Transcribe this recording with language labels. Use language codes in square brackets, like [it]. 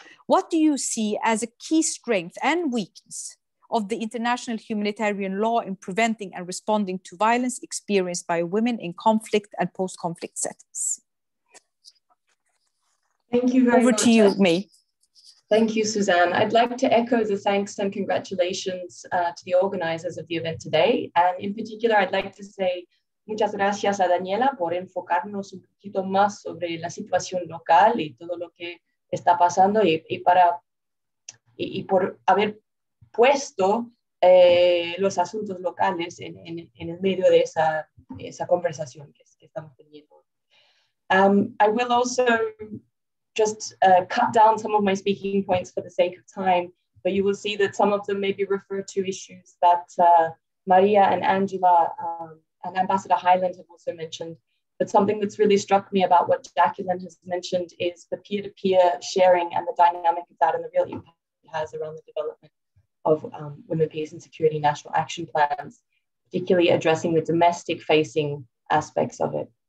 [en] What do you see as a key strength and weakness of the international humanitarian law in preventing and responding to violence experienced by women in conflict and post-conflict settings? Thank you very much. Over to you, May. Thank you, Susanne. I'd like to echo the thanks and congratulations to the organizers of the event today. And in particular, I'd like to say [es] muchas gracias a Daniela por enfocarnos un poquito más sobre la situación local y todo lo que está pasando y por haber puesto los asuntos locales en el medio de esa conversación que estamos teniendo. [en] I will also just cut down some of my speaking points for the sake of time, but you will see that some of them maybe refer to issues that María and Angela and Ambassador Highland have also mentioned. But something that's really struck me about what Jaqueline has mentioned is the peer-to-peer sharing and the dynamic of that and the real impact it has around the development of women, peace and security national action plans, particularly addressing the domestic facing aspects of it.